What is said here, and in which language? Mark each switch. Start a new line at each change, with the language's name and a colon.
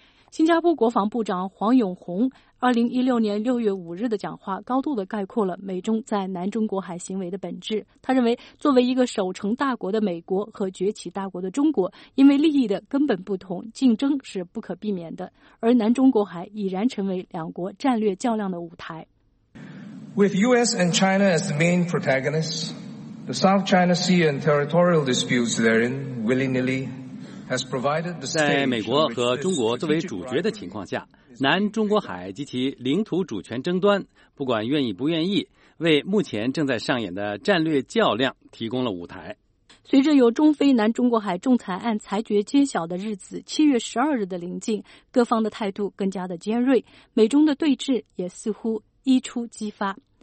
Chinese: 新加坡国防部长黄永红2016年6月5日的讲话高度地概括了美中在南中国海行为的本质。他认为，作为一个守成大国的美国和崛起大国的中国，因为利益的根本不同，竞争是不可避免的，而南中国海已然成为两国战略较量的舞台。
English: With US and China as the main protagonists, the South China Sea and territorial disputes therein willingly has provided the stage.
Chinese: 在美国和中国作为主角的情况下，南中国海及其领土主权争端，不管愿意不愿意，为目前正在上演的战略较量提供了舞台。随着由中非南中国海仲裁案裁决揭晓的日子7月12日的临近，各方的态度更加的尖锐，美中的对峙也似乎一触即发。